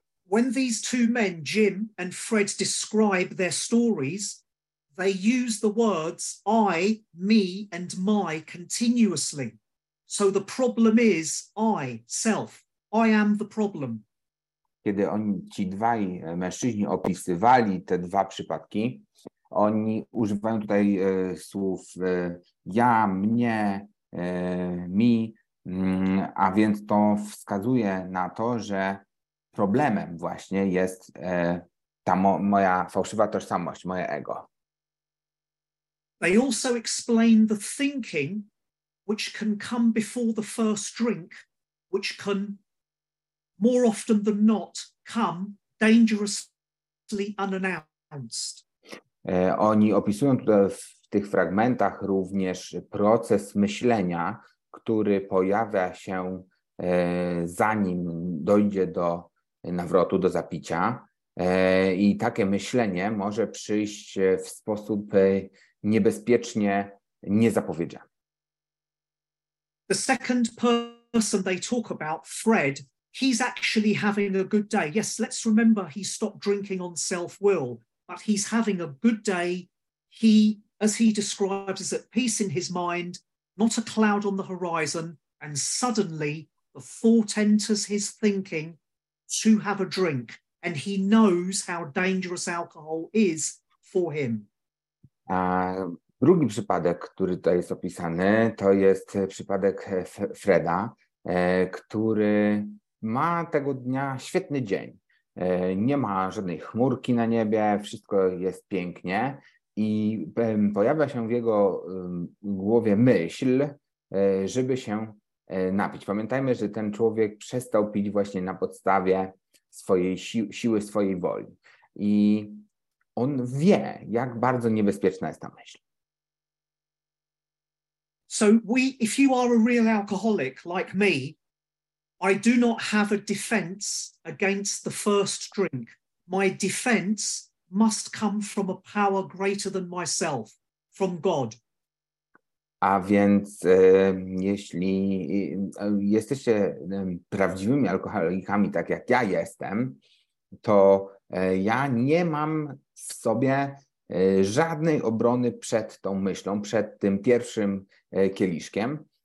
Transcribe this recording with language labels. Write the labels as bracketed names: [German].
[English] When these two men, Jim and Fred, describe their stories, they use the words I, me and my continuously. So the problem is I, self. I am the problem. [Polish] Kiedy oni, ci dwaj mężczyźni opisywali te dwa przypadki, oni używają tutaj słów ja, mnie, mi, a więc to wskazuje na to, że problemem właśnie jest ta moja fałszywa tożsamość, moje ego. [English] They also explain the thinking which can come before the first drink, which can more often than not come dangerously unannounced. [Polish] Oni opisują tutaj w tych fragmentach również proces myślenia, który pojawia się zanim dojdzie do nawrotu, do zapicia. I takie myślenie może przyjść w sposób niebezpiecznie niezapowiedziany. [English] The second person they talk about, Fred, he's actually having a good day. Yes, let's remember he stopped drinking on self-will, but he's having a good day. He, as he describes, is at peace in his mind, not a cloud on the horizon, and suddenly the thought enters his thinking to have a drink. And he knows how dangerous alcohol is for him. [Polish] Drugi przypadek, który tutaj jest opisany, to jest przypadek Freda, który ma tego dnia świetny dzień. Nie ma żadnej chmurki na niebie, wszystko jest pięknie i pojawia się w jego głowie myśl, żeby się napić. Pamiętajmy, że ten człowiek przestał pić właśnie na podstawie swojej siły, swojej woli. I on wie, jak bardzo niebezpieczna jest ta myśl. [English] So we, if you are a real alcoholic like me, I do not have a defense against the first drink. My defense must come from a power greater than myself, from God. [Polish] A więc jeśli jesteście prawdziwymi alkoholikami, tak jak ja jestem, to ja nie mam w sobie żadnej obrony przed tą myślą, przed tym pierwszym kieliszkiem.